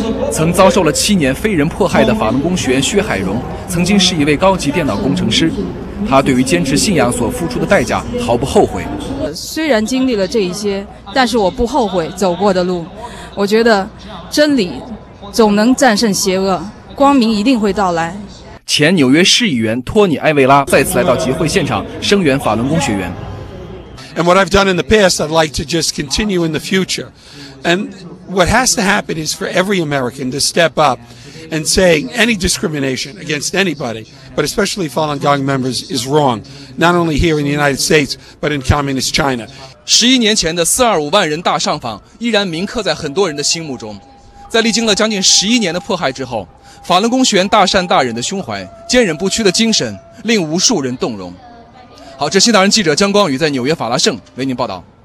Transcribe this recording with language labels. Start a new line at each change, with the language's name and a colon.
Chinese: 曾遭受了7年非人迫害的法轮功学员薛海荣曾经是一位高级电脑工程师，他对于坚持信仰所付出的代价毫不后悔。虽然经历了这一些，但是我不后悔走过的路，我觉得真理总能战胜邪恶，光明一定会到来。前纽约市议员托尼·埃维拉再次来到集会现场声援法轮功学员。
English: And what I've done in the past I'd like to just continue in the future andWhat has to happen is for every American to step up and say any discrimination against anybody, but especially Falun Gong members, is wrong, not only here in the United States, but in communist China.
Chinese: 11年前的425万人大上访依然铭刻在很多人的心目中。在历经了将近11年的迫害之后，法轮功学员大善大忍的胸怀、坚忍不屈的精神令无数人动容。好，这新唐人记者江光宇在纽约法拉盛为您报道。